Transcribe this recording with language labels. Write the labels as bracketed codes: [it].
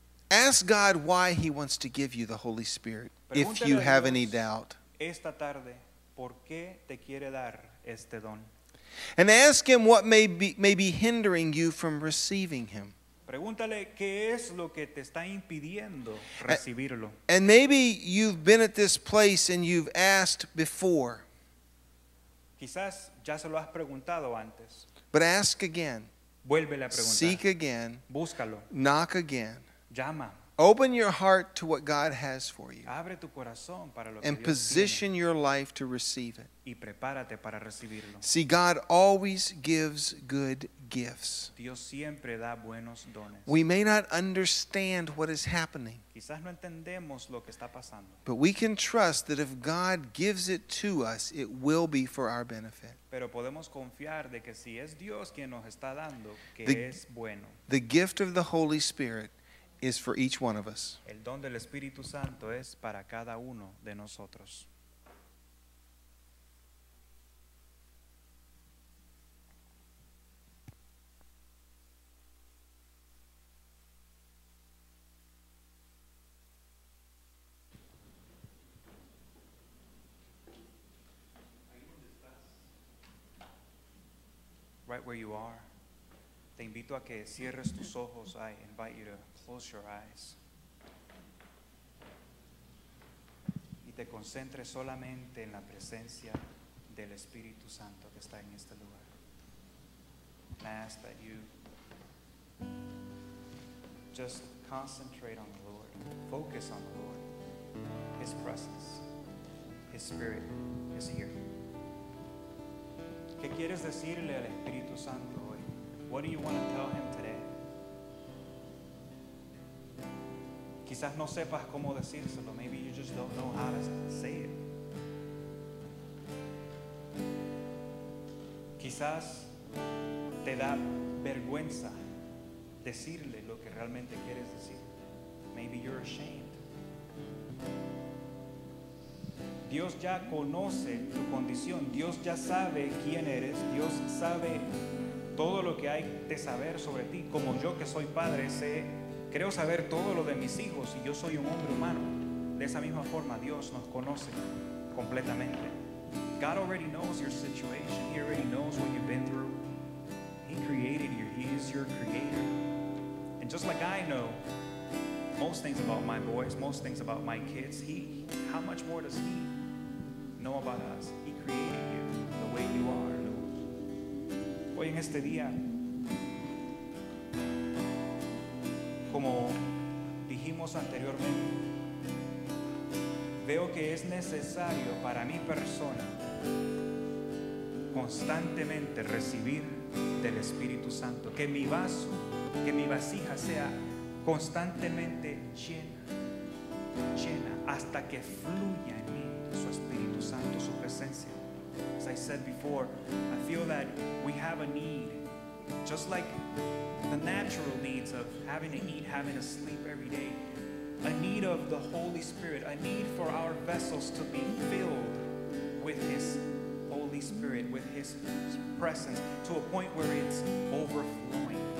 [en] Ask God why he wants to give you the Holy Spirit, if you have any doubt. [es] Esta tarde, ¿por qué te quiere dar este don? [en] And ask him what may be hindering you from receiving him. [es] Pregúntale qué es lo que te está impidiendo recibirlo. [en] And maybe you've been at this place and you've asked before. [es] Quizás ya se lo has preguntado antes. [en] But ask again. [es] Vuélvele a preguntar. [en] Seek again. [es] Búscalo. [en] Knock again. [es] Llama. [en] Open your heart to what God has for you. [es] Abre tu corazón para lo que [en] and [es] Dios [en] position [es] tiene. [en] Your life to receive it. [es] Y prepárate para recibirlo. [en] See, God always gives good gifts. [es] Dios siempre da buenos dones. [en] We may not understand what is happening. [es] Quizás no entendemos lo que está pasando. [en] But we can trust that if God gives it to us, it will be for our benefit. [es] Pero podemos confiar de que si es Dios quien nos está dando, que the, es bueno. [en] The gift of the Holy Spirit is for each one of us. [es] El don del Espíritu Santo es para cada uno de nosotros. [en] Right where you are. [es] Te invito a que cierres tus ojos. [en] I invite you to close your eyes. [es] Y te concentres solamente en la presencia del Espíritu Santo que está en este lugar. [en] And I ask that you just concentrate on the Lord. Focus on the Lord. His presence. His Spirit is here. [es] ¿Qué quieres decirle al Espíritu Santo? [en] What do you want to tell him today? [es] Quizás no sepas cómo decírselo. [en] Maybe you just don't know how to say it. [es] Quizás te da vergüenza decirle lo que realmente quieres decir. [en] Maybe you're ashamed. [es] Dios ya conoce tu condición. Dios ya sabe quién eres. Dios sabe todo lo que hay de saber sobre ti. Como yo que soy padre, sé, creo saber todo lo de mis hijos y yo soy un hombre humano. De esa misma forma, Dios nos conoce completamente. [en] God already knows your situation. He already knows what you've been through. He created you. He is your creator. And just like I know most things about my boys, most things about my kids, how much more does he know about us? He created you the way you are. [es] Hoy en este día, como dijimos anteriormente, veo que es necesario para mi persona constantemente recibir del Espíritu Santo, que mi vaso, que mi vasija sea constantemente llena, llena, hasta que fluya en mí su Espíritu Santo, su presencia. [en] As I said before, I feel that we have a need, just like the natural needs of having to eat, having to sleep every day, a need of the Holy Spirit, a need for our vessels to be filled with His Holy Spirit, with His presence, to a point where it's overflowing.